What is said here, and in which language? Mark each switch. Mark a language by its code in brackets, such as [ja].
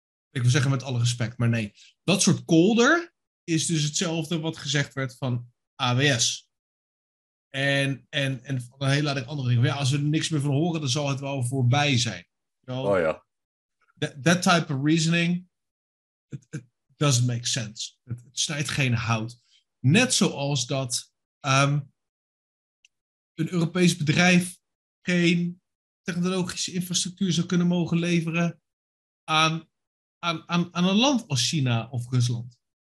[nl] Ik wil zeggen met alle respect, maar nee. Dat soort kolder is dus hetzelfde wat gezegd werd van AWS. En van een hele aantal andere dingen. Maar ja, als we er niks meer van horen, dan zal het wel voorbij zijn. Oh ja. [en] That type of reasoning, it doesn't make sense. [nl] Het snijdt geen hout. Net zoals dat een Europees bedrijf geen technologische infrastructuur zou kunnen mogen leveren aan een land als China of Rusland.